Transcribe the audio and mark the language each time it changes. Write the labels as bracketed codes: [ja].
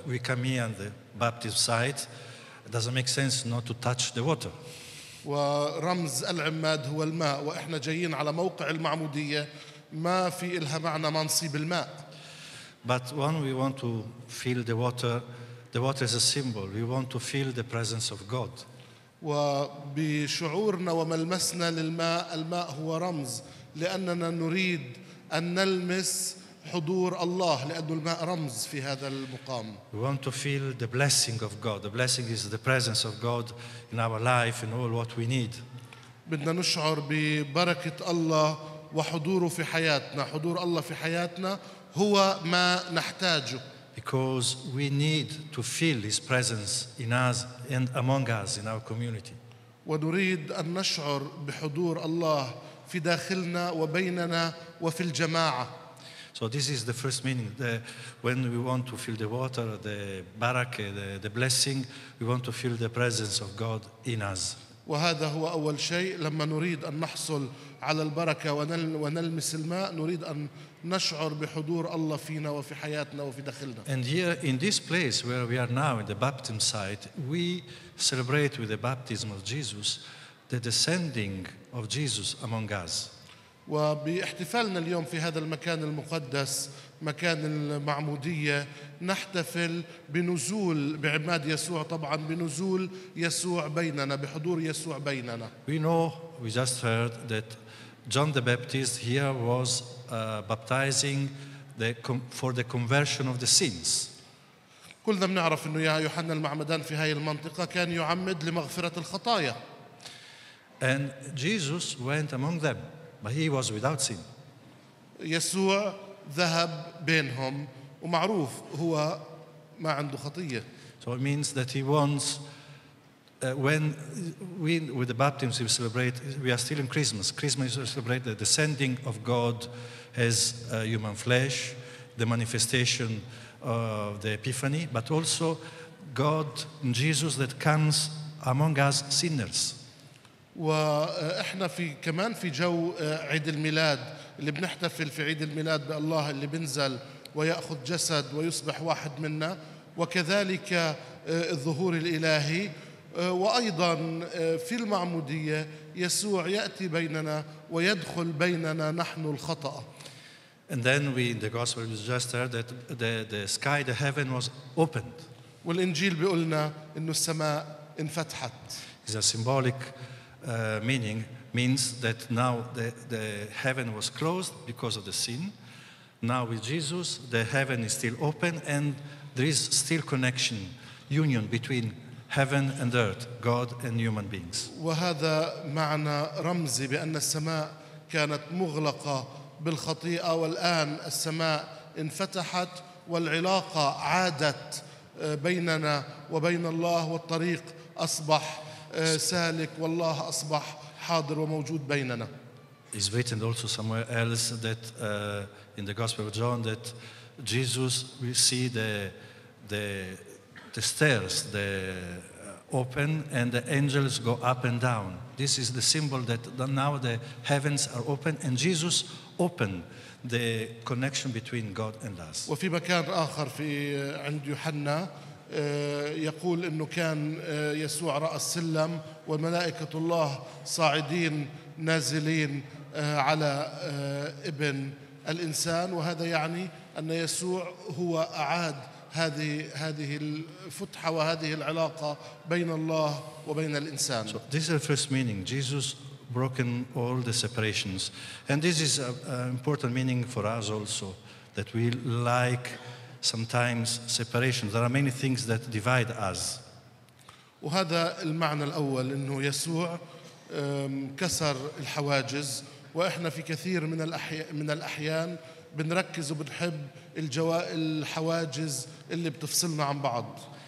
[en] We come here on the baptism site. It doesn't make sense not to touch the water. [ar] ورمز العماد هو الماء، وإحنا جايين على موقع المعمودية ما في إلها معنى ما نصيب الماء. [en] But when we want to feel the water is a symbol. We want to feel the presence of God. [ar] وبشعورنا وملمسنا للماء، الماء هو رمز لأننا نريد أن نلمس حضور الله، لأن الماء رمز في هذا المقام. [en] We want to feel the blessing of God. The blessing is the presence of God in our life and all what we need. [ar] بدنا نشعر ببركة الله وحضوره في حياتنا. حضور الله في حياتنا هو ما نحتاجه. [en] Because we need to feel His presence in us and among us in our community. [ar] ونريد أن نشعر بحضور الله في داخلنا وبيننا وفي الجماعة. [en] So this is the first meaning. When we want to feel the water, the barakah, the blessing, we want to feel the presence of God in us. [ar] وهذا هو أول شيء. لما نريد أن نحصل على البركة ونلمس الماء، نريد أن نشعر بحضور الله فينا وفي حياتنا وفي داخلنا. [en] And here in this place where we are now in the baptism site, we celebrate with the baptism of Jesus the descending of Jesus among us. [ar] وباحتفالنا اليوم في هذا المكان المقدس، مكان المعمودية، نحتفل بنزول بعماد يسوع، طبعا بنزول يسوع بيننا، بحضور يسوع بيننا. [en] We know, we just heard that John the Baptist here was baptizing for the conversion of the sins. [ar] كلنا بنعرف انه يا يوحنا المعمدان في هاي المنطقة كان يعمد لمغفرة الخطايا. [en] And Jesus went among them, but he was without sin. [ar] يسوع ذهب بينهم ومعروف هو ما عنده خطية. [en] So it means that he wants when we with the baptisms we celebrate, we are still in Christmas. Christmas we celebrate the descending of God as human flesh, the manifestation of the Epiphany, but also God Jesus that comes among us sinners. [ar] وإحنا في كمان في جو عيد الميلاد، اللي بنحتفل في عيد الميلاد بالله اللي بنزل ويأخذ جسد ويصبح واحد منا، وكذلك الظهور الإلهي، وأيضا في المعمودية يسوع يأتي بيننا ويدخل بيننا نحن الخطأ. [en] And then we in the gospel we just heard that the sky, the heaven was opened. [ar] والإنجيل بيقولنا إنه السماء انفتحت. [en] It's a symbolic meaning. Means that now the heaven was closed because of the sin. Now with Jesus, the heaven is still open and there is still connection, union between heaven and earth, God and human beings. [ar] وهذا معنى رمزي بأن السماء كانت مغلقة بالخطيئة، والآن السماء انفتحت والعلاقة عادت بيننا وبين الله، والطريق أصبح سالك والله أصبح حاضر وموجود بيننا. [en] It's written also somewhere else that in the Gospel of John that Jesus will see the stairs the open and the angels go up and down. This is the symbol that now the heavens are open and Jesus opened the connection between God and us. [ar] وفي مكان آخر في عند يوحنا يقول إنه كان يسوع رأى السلم وملائكة الله صاعدين نازلين على ابن الإنسان، وهذا يعني أن يسوع هو أعاد هذه الفتحة وهذه العلاقة بين الله وبين الإنسان. [en] So this is the first meaning. Jesus broken all the separations, and this is an important meaning for us also that we like sometimes separation. There are many things that divide us. [ar] وهذا المعنى الأول، إنه يسوع كسر الحواجز، وإحنا في كثير من الأحيان بنركز وبنحب الحواجز اللي بتفصلنا عن بعض.